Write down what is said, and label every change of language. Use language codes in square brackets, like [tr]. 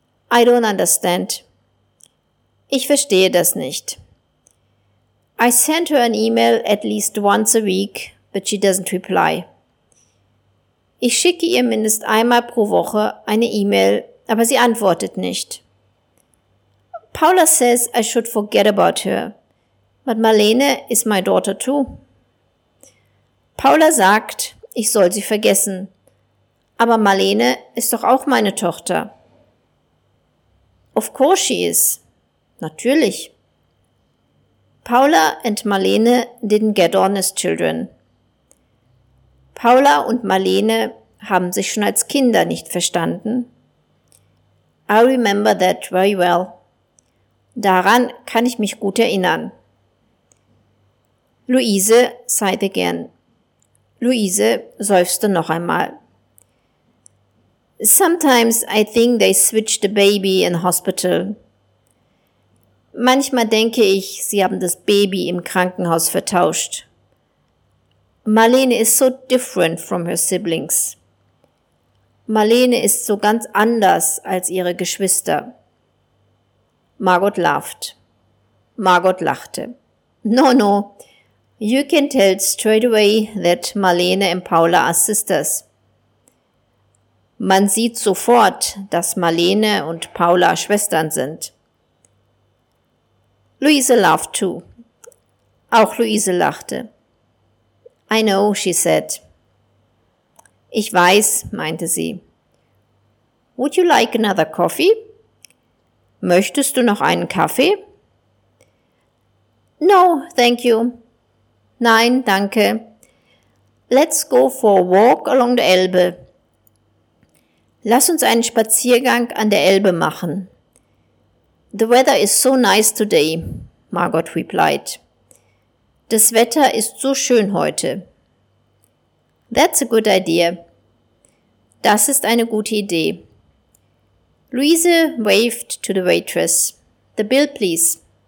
[en] I don't understand. [de] Ich verstehe das nicht. [en] I send her an email at least once a week, but she doesn't reply. [de] Ich schicke ihr mindestens einmal pro Woche eine E-Mail, aber sie antwortet nicht. [en] Paula says I should forget about her, but Marlene is my daughter too. [de] Paula sagt, ich soll sie vergessen, aber Marlene ist doch auch meine Tochter. [en] Of course she is. [de] Natürlich. [en] Paula and Marlene didn't get on as children. [de] Paula und Marlene haben sich schon als Kinder nicht verstanden. [en] I remember that very well. Daran kann ich mich gut erinnern. Luise sighed again. [de] Luise seufzte noch einmal. [en] Sometimes I think they switched the baby in hospital. [de] Manchmal denke ich, sie haben das Baby im Krankenhaus vertauscht. [en] Marlene is so different from her siblings. [de] Marlene ist so ganz anders als ihre Geschwister. [en] Margot laughed. [de] Margot lachte. [en] No, no. You can tell straight away that Marlene and Paula are sisters. [de] Man sieht sofort, dass Marlene und Paula Schwestern sind. [en] Luise laughed too. [de] Auch Luise lachte. [en] I know, she said. [de] Ich weiß, meinte sie. [en] Would you like another coffee? [de] Möchtest du noch einen Kaffee? [en] No, thank you. [de] Nein, danke. [en] Let's go for a walk along the Elbe. [de] Lass uns einen Spaziergang an der Elbe machen. [en] The weather is so nice today, Margot replied. [de] Das Wetter ist so schön heute. [en] That's a good idea. [de] Das ist eine gute Idee. [en] Luise waved to the waitress. The bill, please.